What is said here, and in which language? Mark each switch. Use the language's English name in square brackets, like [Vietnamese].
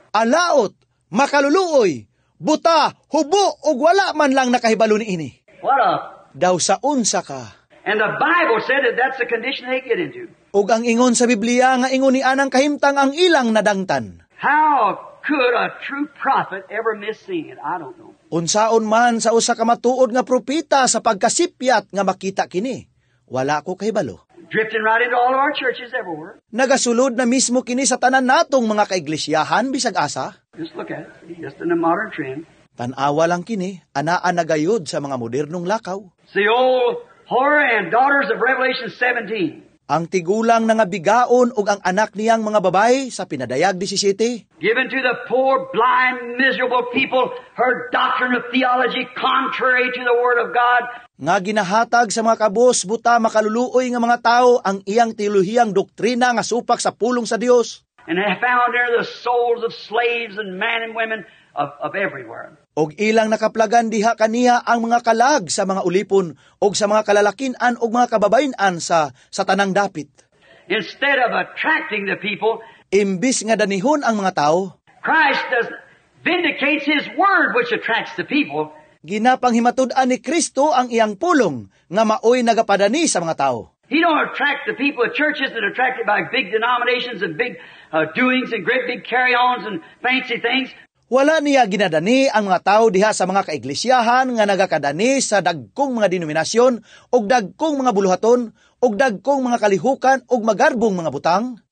[Cebuano] Alaot, makaluluoy, buta, hubo ug wala man lang nakahibalo niini. [English] What a... [Cebuano] Daw sa unsa ka. [English] And the Bible said that that's the condition they get into. [Cebuano] Ug ang ingon sa Biblia nga ingon ni anang kahimtang ang ilang nadangtan. [English] How could a true prophet ever miss seeing it? I don't know. [Cebuano] Unsaon man sa usa ka matuod nga propeta sa pagkasipyat nga makita kini, wala ko kahibalo. [English] Drifting right into all of our churches everywhere. [Cebuano] Nagasulod na mismo kini sa tanan natong mga kaiglesyahan bisag asa. [English] Just look at it. Just in a modern trend. [Cebuano] Tan-awa lang kini, anaa na gayud sa mga modernong lakaw. [English] See all whore and daughters of Revelation 17. [Cebuano] Ang tigulang na nga bigaon ug ang anak niyang mga babay sa pinadayag 17. [English] Given to the poor, blind, miserable people her doctrine of theology contrary to the word of God. [Cebuano] Nga ginahatag sa mga kabos, buta, makaluluoy nga mga tao ang iyang teolohiyang doktrina nga supak sa pulong sa Dios. [English] And they found there the souls of slaves and men and women of everywhere. [Cebuano] Og ilang nakaplagan diha kaniya ang mga kalag sa mga ulipon og sa mga kalalakinan og mga kababayenan sa tanang dapit. [English] Instead of attracting the people, [Cebuano] imbis nga danihon ang mga tao, [English] Christ vindicates his word which attracts the people. [Cebuano] Ginapanghimatud-an ni Kristo ang iyang pulong nga maoy nagapadani sa mga tao. [English] He don't attract the people of churches that are attracted by big denominations and big doings and great big carry-ons and fancy things. [Cebuano] Wala niya ginadani ang mga tao diha sa mga kaiglesyahan nga nagakadani sa dagkong mga denominasyon og dagkong mga buluhaton og dagkong mga kalihukan og magarbong mga butang.